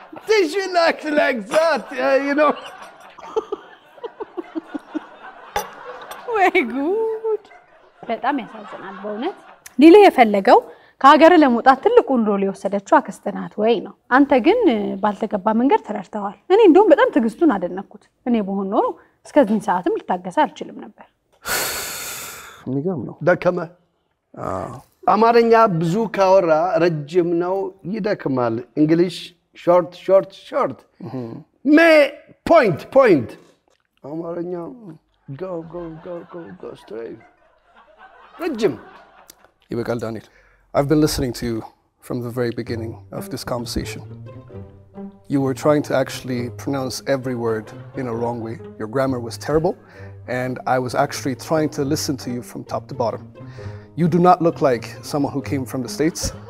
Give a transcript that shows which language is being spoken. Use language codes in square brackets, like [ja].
[en] Tissue like that, you know. Very good. [am] በጣም ያሳዝናል በእውነት። ሊሊ የፈለገው ከሀገር ለመውጣት ትልቁን ሮል የወሰደችው አክስተናት ወይ ነው። አንተ ግን ባልተገባ መንገድ ተረድተዋል። እኔ እንደውም በጣም ትግስቱን አደነኩት። እኔ በሆን ኖሮ እስከዚህ ሰዓትም ልታገሳ አልችልም ነበር። የሚገርም ነው። ደከመ። አማርኛ ብዙ ካወራ ረጅም ነው ይደክማል። እንግሊሽ ሾርት። ሜ ፖይንት። አማርኛ ጎ ስትሬት። ረጅም ይበቃል [en] ዳንኤል I've been listening to you from the very beginning of this conversation you were trying to actually pronounce every word in a wrong way your grammar was terrible and I was actually trying to listen to you from top to bottom you do not look like someone who came from the states